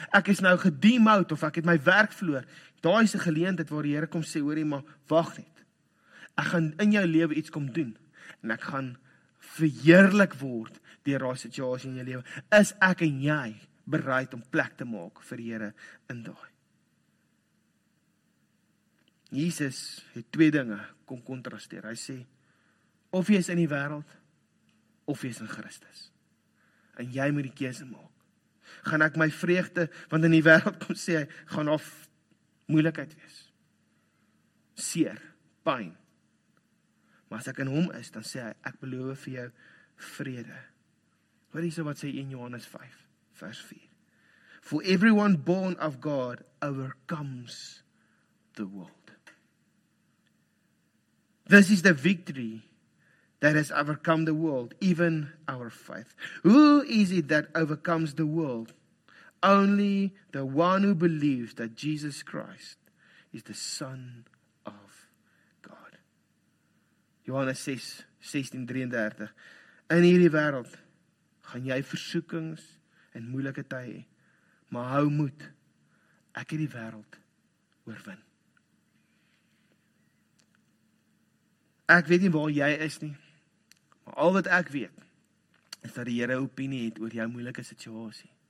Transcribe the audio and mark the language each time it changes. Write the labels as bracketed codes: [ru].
[af] Ek is nou gedemout of ek het my werk verloor. Daai is 'n geleentheid waar die Here kom sê, hoorie, maar wag net. Ek gaan in jou lewe iets kom doen. En ek gaan verheerlik word deur daai situasie in jou lewe. Is ek en jy bereid om plek te maak vir die Here in daai? Jesus het twee dinge kom kontrasteer. Hy sê, of jy is in die wêreld, of jy is in Christus. En jy moet die keuse maak. Gaan ek my vreugde, want in die wêreld kom sê hy, gaan daar moeilikheid wees. Seer, pyn. Maar as ek in hom is, dan sê hy, ek beloof vir jou vrede. Hoor hierso wat sê 1 Johannes 5 vers 4. [en] For everyone born of God overcomes the world. This is the victory that has overcome the world, even our faith. Who is it that overcomes the world? Only the one who believes that Jesus Christ is the Son of God. [af] Johannes 6:16-33. In hierdie wêreld gaan jy versoekings en moeilike tye, maar hou moed. Ek het die wêreld oorwin. Ek weet nie waar jy is nie. Al wat ek weet, is dat die Here opinie het oor jou moeilike situasie.